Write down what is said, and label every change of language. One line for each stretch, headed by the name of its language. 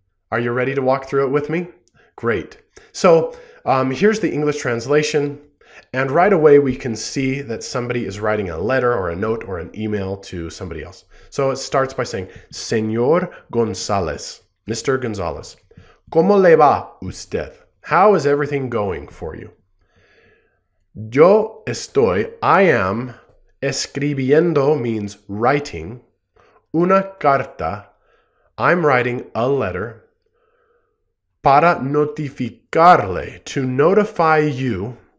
English: Are you ready to walk through it with me? Great. So here's the English translation, and right away we can see that somebody is writing a letter or a note or an email to somebody else. So it starts by saying, Señor González, Mr.
Spanish: González, ¿cómo le va usted?
English: How is everything going for you?
Spanish: Yo estoy,
English: I am,
Spanish: escribiendo
English: means writing,
Spanish: una carta,
English: I'm writing a letter,
Spanish: para notificarle,
English: to notify you,